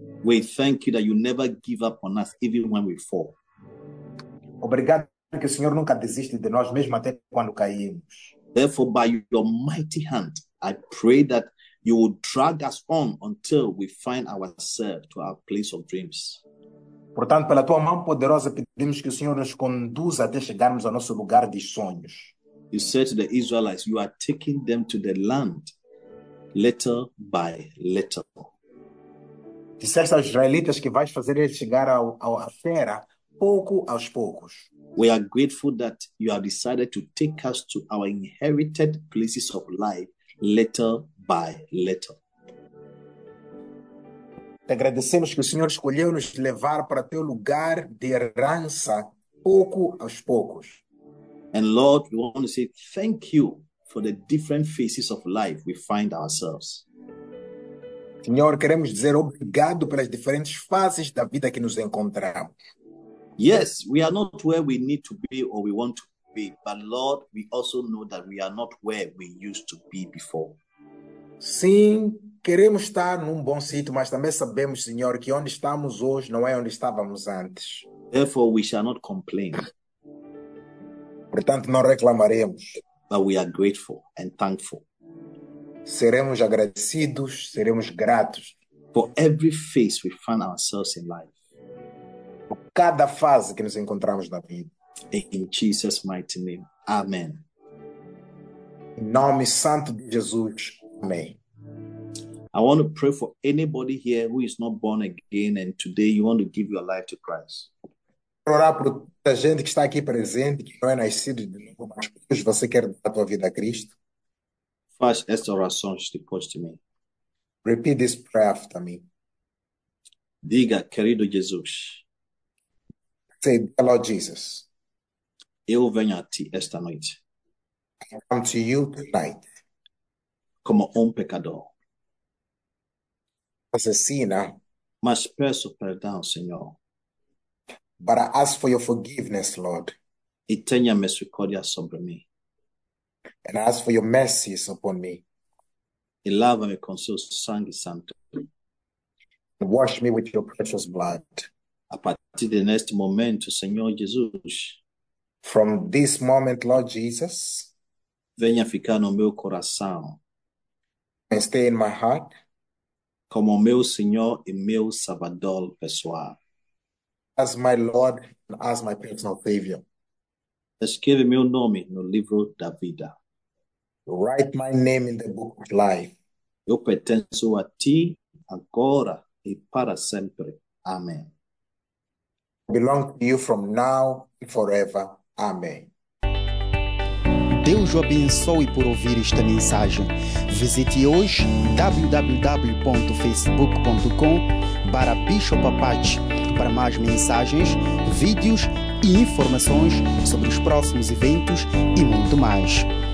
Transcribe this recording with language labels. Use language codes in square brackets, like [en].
[en] We thank you that you never give up on us, even when we fall. [pt] Obrigado porque o Senhor nunca desiste de nós, mesmo até quando caímos. [en] Therefore, by your mighty hand, I pray that you will drag us on until we find ourselves to our place of dreams. [pt] Portanto, pela tua mão poderosa, pedimos que o Senhor nos conduza até chegarmos ao nosso lugar de sonhos. [en] You said to the Israelites, you are taking them to the land, little by little. [pt] Disseste aos israelitas que vais fazer eles chegar à terra, pouco aos poucos. [en] We are grateful that you have decided to take us to our inherited places of life, little by little. [pt] Te agradecemos que o Senhor escolheu nos levar para teu lugar de herança, pouco aos poucos. [en] And Lord, we want to say thank you for the different phases of life we find ourselves. [pt] Senhor, queremos dizer obrigado pelas diferentes fases da vida que nos encontramos. [en] Yes, we are not where we need to be or we want to be, but Lord, we also know that we are not where we used to be before. [pt] Sim, queremos estar num bom sítio, mas também sabemos, Senhor, que onde estamos hoje não é onde estávamos antes. [en] Therefore, we shall not complain. [pt] Portanto, não reclamaremos. [en] But we are grateful and thankful. [pt] Seremos agradecidos, seremos gratos. [en] For every phase we find ourselves in life. [pt] Por cada fase que nos encontramos na vida. [en] In Jesus' mighty name. Amen. [pt] Em nome santo de Jesus. Amém. [en] I want to pray for anybody here who is not born again and today you want to give your life to Christ. [pt] Quero orar por toda a gente que está aqui presente, que não é nascido de novo, mas hoje você quer dar a tua vida a Cristo. Faz esta oração depois de mim. [en] Repeat this prayer after me. [pt] Diga, querido Jesus. [en] Say, dear Lord Jesus. [pt] Eu venho a ti esta noite. [en] I come to you tonight. [pt] Como pecador. Assassina. Mas peço perdão, Senhor. [en] But I ask for your forgiveness, Lord. [pt] E tenha misericórdia sobre mim. [en] And I ask for your mercies upon me. [pt] E lava-me com seu sangue santo. [en] And wash me with your precious blood. [pt] A partir de neste momento, Senhor Jesus. [en] From this moment, Lord Jesus. [pt] Venha ficar no meu coração. [en] And stay in my heart. [pt] Como meu Senhor e meu Salvador pessoal. [en] As my Lord and as my personal Savior. [pt] Escreve meu nome no livro da vida. [en] Write my name in the book of life. [pt] Eu pertenço a ti agora e para sempre. Amém. [en] I belong to you from now and forever. [pt] Amém. Deus o abençoe por ouvir esta mensagem. Visite hoje www.facebook.com/bishopapati para mais mensagens, vídeos e informações sobre os próximos eventos e muito mais.